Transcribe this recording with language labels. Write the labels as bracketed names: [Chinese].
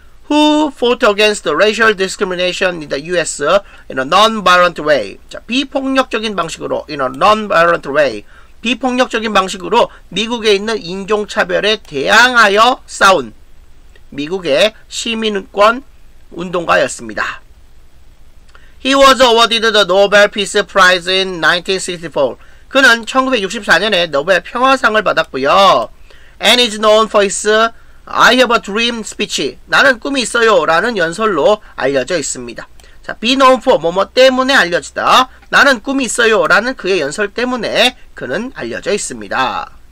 [English] Who fought against racial discrimination in the U.S. in a non-violent way. 자, [Korean] 비폭력적인 방식으로, [English] in a non-violent way. [Korean] 비폭력적인 방식으로 미국에 있는 인종차별에 대항하여 싸운 미국의 시민권 운동가였습니다. [English] He was awarded the Nobel Peace Prize in 1964. [Korean] 그는 1964년에 노벨 평화상을 받았고요. [English] And is known for his I have a dream speech. [Korean] 나는 꿈이 있어요. 라는 연설로 알려져 있습니다. 자, [English] be known for [Korean] 뭐뭐 때문에 알려지다. 나는 꿈이 있어요 라는 그의 연설 때문에 그는 알려져 있습니다.